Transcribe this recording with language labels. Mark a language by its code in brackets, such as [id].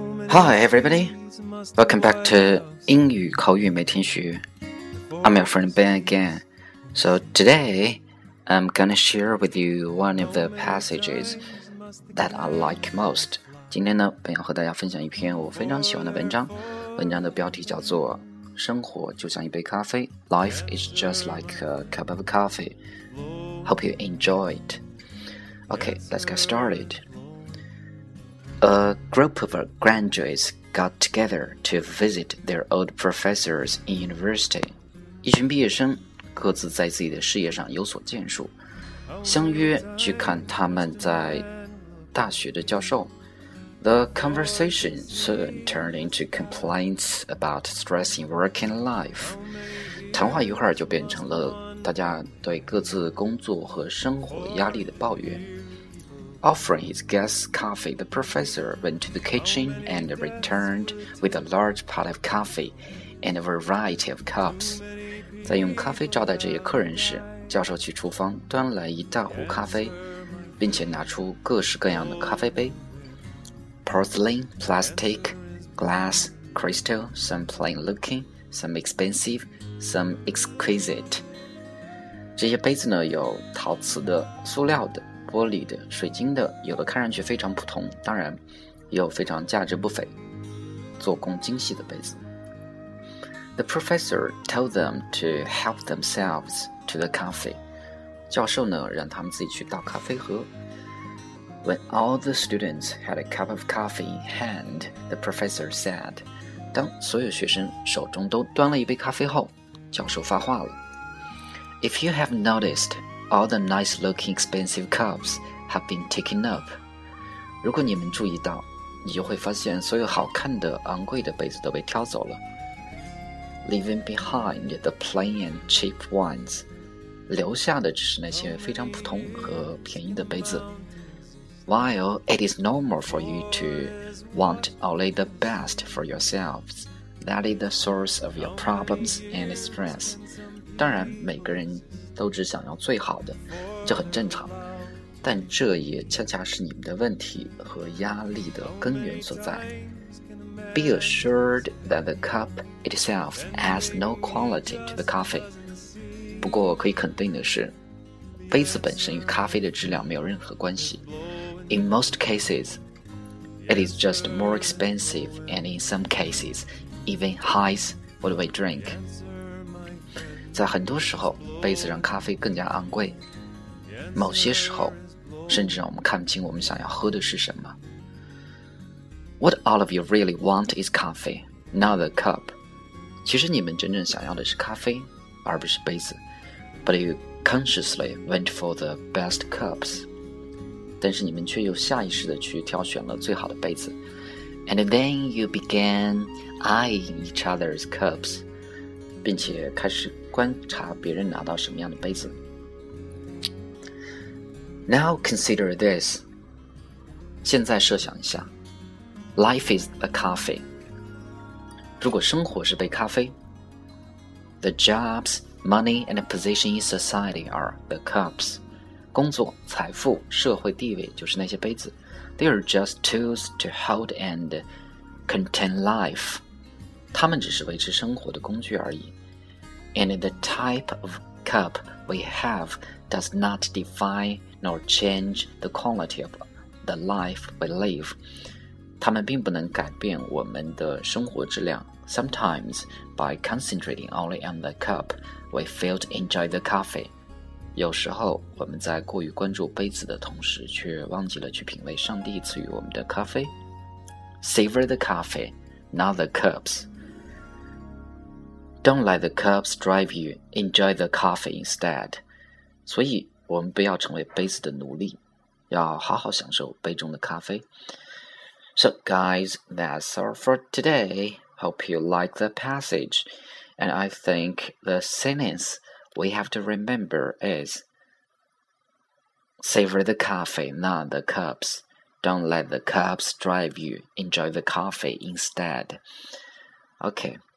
[en] Hi everybody, welcome back to [zh] 英语口语每天学。 [en] I'm your friend Ben again. So today, I'm gonna share with you one of the passages that I like most. [zh] 今天呢，本要和大家分享一篇我非常喜欢的文章。文章的标题叫做《生活就像一杯咖啡》， [en] Life is just like a cup of coffee. Hope you enjoy it. Okay, let's get started. A group of graduates got together to visit their old professors in university. [zh] 一群毕业生各自在自己的事业上有所建树，相约去看他们在大学的教授。 [en] The conversation soon turned into complaints about stressing work and life. [zh] 谈话一会儿就变成了大家对各自工作和生活压力的抱怨。 [en] Offering his guests coffee, the professor went to the kitchen and returned with a large pot of coffee and a variety of cups. [zh] 在用咖啡招待这些客人时，教授去厨房端来一大壶咖啡，并且拿出各式各样的咖啡杯 [en] Porcelain, plastic, glass, crystal, some plain looking, some expensive, some exquisite. [zh] 这些杯子呢，有陶瓷的、塑料的、玻璃的、水晶的，有的看上去非常普通，当然也有非常价值不菲、做工精细的杯子。 [en] The professor told them to help themselves to the coffee. [zh] 教授呢，让他们自己去倒咖啡喝。 [en] When all the students had a cup of coffee in hand, the professor said, [zh] 当所有学生手中都端了一杯咖啡后，教授发话了。 [en] If you have noticed, all the nice-looking expensive cups have been taken up. [zh] 如果你们注意到，你就会发现所有好看的、昂贵的杯子都被挑走了。 [en] Leaving behind the plain and cheap ones. [zh] 留下的只是那些非常普通和便宜的杯子。 [en] While it is normal for you to want only the best for yourselves, that is the source of your problems and stress. [zh] 当然每个人都只想要最好的，这很正常，但这也恰恰是你们的问题和压力的根源所在。 [en] Be assured that the cup itself has no quality to the coffee. [zh] 不过可以肯定的是，杯子本身与咖啡的质量没有任何关系。 [en] In most cases, it is just more expensive and in some cases, even hides what we drink. [zh] 在很多时候，杯子让咖啡更加昂贵。某些时候，甚至让我们看不清我们想要喝的是什么。 [en] What all of you really want is coffee, not the cup. [zh] 其实你们真正想要的是咖啡，而不是杯子。 [en] But you consciously went for the best cups. [zh] 但是你们却又下意识地去挑选了最好的杯子。 [en] And then you began eyeing each other's cups. [zh] 并且开始观察别人拿到什么样的杯子。 [en] Now consider this. [zh] 现在设想一下。 [en] Life is a coffee. [zh] 如果生活是杯咖啡 [en] The jobs, money, and position in society are the cups. [zh] 工作、财富、社会地位就是那些杯子 [en] They are just tools to hold and contain life. [zh] 它们只是维持生活的工具而已 [en] And the type of cup we have does not define nor change the quality of the life we live. [zh] 他们并不能改变我们的生活质量。 [en] Sometimes, by concentrating only on the cup, we fail to enjoy the coffee. [zh] 有时候，我们在过于关注杯子的同时，却忘记了去品味上帝赐予我们的咖啡。 [en] Savor the coffee, not the cups. Don't let the cups drive you. Enjoy the coffee instead. [zh] 所以，我们不要成为杯子的奴隶，要好好享受杯中的咖啡。 [en] So guys, that's all for today. Hope you like the passage. And I think the sentence we have to remember is Savor the coffee, not the cups. Don't let the cups drive you. Enjoy the coffee instead. Okay,